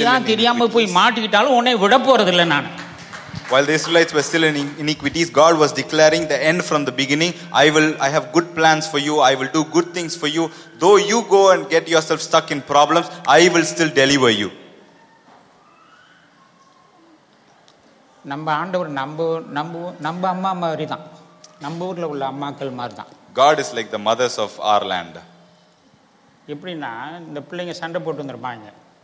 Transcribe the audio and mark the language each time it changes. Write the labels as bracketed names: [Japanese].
[Tamil] தெரியாம போய் மாட்டிக்கிட்டாலும் உன்னை விட போறது இல்லை நான். [English] While the Israelites were still in iniquities, God was declaring the end from the beginning. I have good plans for you. I will do good things for you. Though you go and get yourself stuck in problems, I will still deliver you. [Tamil] நம்ம ஆண்டவர் நம்ம அம்மா மாதிரி தான். நம்ம ஊர்ல உள்ள அம்மாக்கள் மாதிரி தான். [English] God is like the mothers of our land. [Tamil] எப்படின்னா இந்த பிள்ளைங்க சண்டை போட்டு வந்திருப்பாங்க.